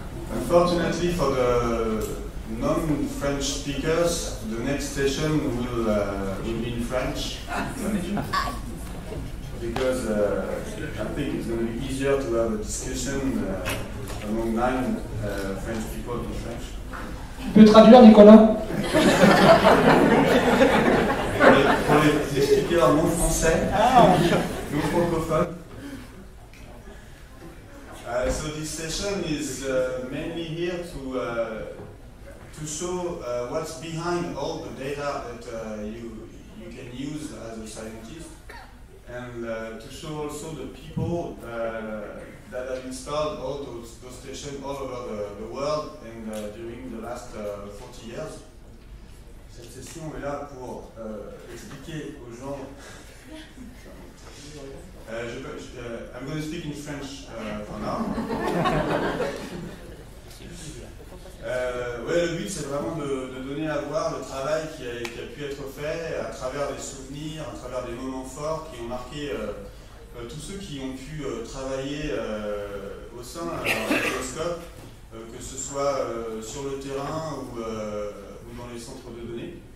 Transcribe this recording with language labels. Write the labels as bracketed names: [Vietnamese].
[English] Unfortunately for the non-French speakers, the next session will be in French. Because I think it's going to be easier to have a discussion among nine French people in French. [French] Tu peux traduire, Nicolas? Pour les expliquer en mon français, mon francophone. [English] So this session is mainly here to show what's behind all the data that you can use as a scientist, and to show also the people that have installed all those stations all over the world and during the last 40 years. [French] Cette session est là pour expliquer aux gens. [English] I'm going to speak in French for now. [French] Ouais, le but, c'est vraiment de donner à voir le travail qui a pu être fait à travers des souvenirs, à travers des moments forts qui ont marqué tous ceux qui ont pu travailler au sein de l'endoscope, que ce soit sur le terrain ou dans les centres de données.